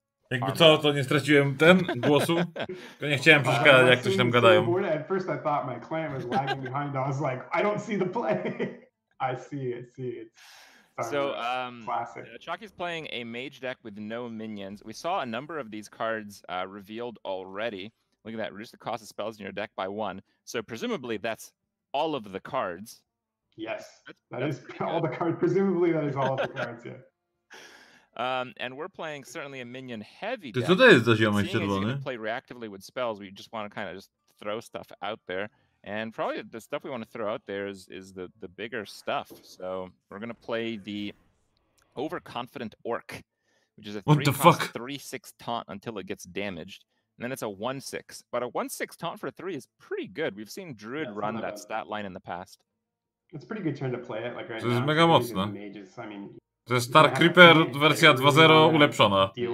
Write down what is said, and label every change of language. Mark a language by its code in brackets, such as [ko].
[pl] Jakby co, to nie straciłem ten głosu. To nie chciałem przeszkadzać, jak coś tam gadają. [en] At first I thought my clan was lagging behind. I was like, I don't see the play. I see it. So, classic. Chalky's playing a mage deck with no minions. We saw a number of these cards revealed already. Look at that. Reduce the cost of spells in your deck by one. So presumably that's all of the cards. Yes. That's all the cards. Presumably that is all of the cards, yeah. And we're playing certainly a minion heavy deck. [pl] To co to jest za ziomek czerwony? [en] You can play reactively with spells. We just want to kind of just throw stuff out there. And probably the stuff we want to throw out there is the bigger stuff. So we're going to play the Overconfident Orc, which is a 3-6 taunt until it gets damaged. And then it's a 1-6. But a 1-6 taunt for a 3 is pretty good. We've seen Druid run that stat line in the past. It's a pretty good turn to play it. Like right [pl] to [en] now, [pl] jest mega mocno. [en] Mages, I mean, [pl] to jest Star Creeper wersja 2.0 ulepszona.